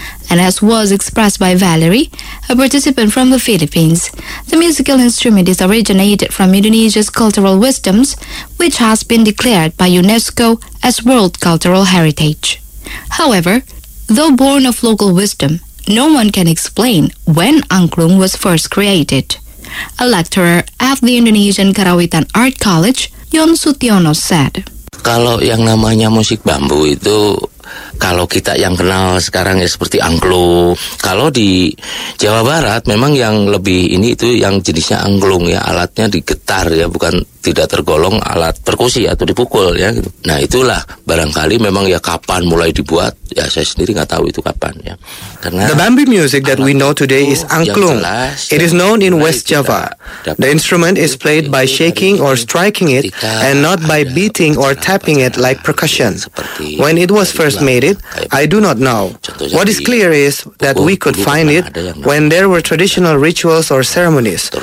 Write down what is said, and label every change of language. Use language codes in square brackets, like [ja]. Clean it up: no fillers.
[en] And as was expressed by Valerie, a participant from the Philippines, the musical instrument is originated from Indonesia's cultural wisdoms, which has been declared by UNESCO as World Cultural Heritage. However, though born of local wisdom, no one can explain when angklung was first created. A lecturer at the Indonesian Karawitan Art College, Yon Sutiono, said, [id] "Kalau yang namanya musik bambu itu, kalau kita yang kenal sekarang ya seperti angklung. Kalau di Jawa Barat memang yang lebih ini itu yang jenisnya angklung ya, alatnya digetar ya, bukan tidak tergolong alat perkusi atau dipukul ya. Nah itulah barangkali memang ya kapan mulai dibuat ya saya sendiri nggak tahu itu kapan ya. Karena [en] the bamboo music that we know today is angklung. It is known in West Java. The instrument is played by shaking or striking it and not by beating or tapping it like percussion. When it was first made it, I do not know. What is clear is that we could find it when there were traditional rituals or ceremonies.